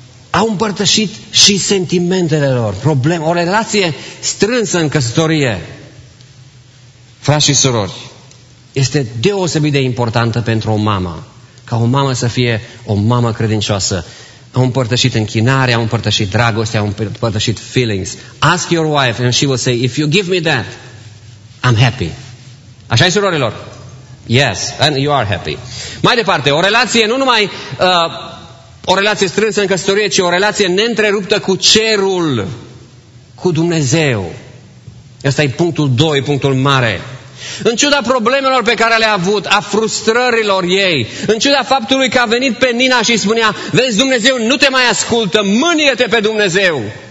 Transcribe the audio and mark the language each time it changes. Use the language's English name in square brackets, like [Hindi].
[Romanian] Au împărtășit și sentimentele lor, probleme, o relație strânsă în căsătorie. Frați și surori, este deosebit de importantă pentru o mamă, ca o mamă să fie o mamă credincioasă. Au împărtășit închinare, au împărtășit dragoste, au împărtășit feelings. [English] Ask your wife and she will say, if you give me that, I'm happy. [Romanian] Așa-i, surorilor? [English] Yes, and you are happy. [Romanian] Mai departe, o relație nu numai o relație strânsă în căsătorie, ci o relație neîntreruptă cu cerul, cu Dumnezeu. Ăsta e punctul 2, punctul mare. În ciuda problemelor pe care le-a avut, a frustrărilor ei, în ciuda faptului că a venit pe Nina și spunea, vezi, Dumnezeu nu te mai ascultă, mânie-te pe Dumnezeu.